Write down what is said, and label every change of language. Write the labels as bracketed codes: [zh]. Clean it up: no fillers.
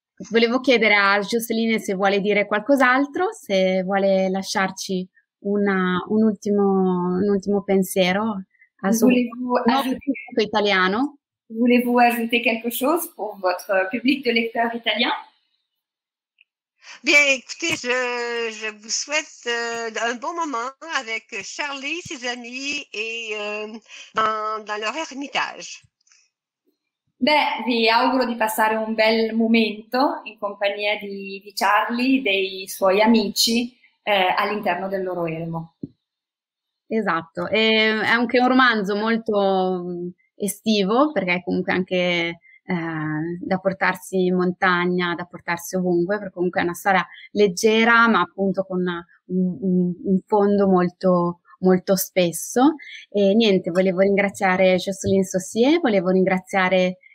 [it] Volevo chiedere a Jocelyne se vuole dire qualcos'altro, se vuole lasciarci un ultimo pensiero. Volevo aggiungere qualcosa per il vostro pubblico di lettori italiani? [fr] Bien, écoutez, je vous souhaite un bon moment avec Charlie, ses amis et dans leur ermitage. [it] Beh, vi auguro di passare un bel momento in compagnia di Charlie, dei suoi amici, all'interno del loro elmo. Esatto, è anche un romanzo molto estivo, perché è comunque anche da portarsi in montagna, da portarsi ovunque, perché comunque è una storia leggera, ma appunto con un fondo molto, molto spesso. E niente, volevo ringraziare Jocelyne Saussier, volevo ringraziare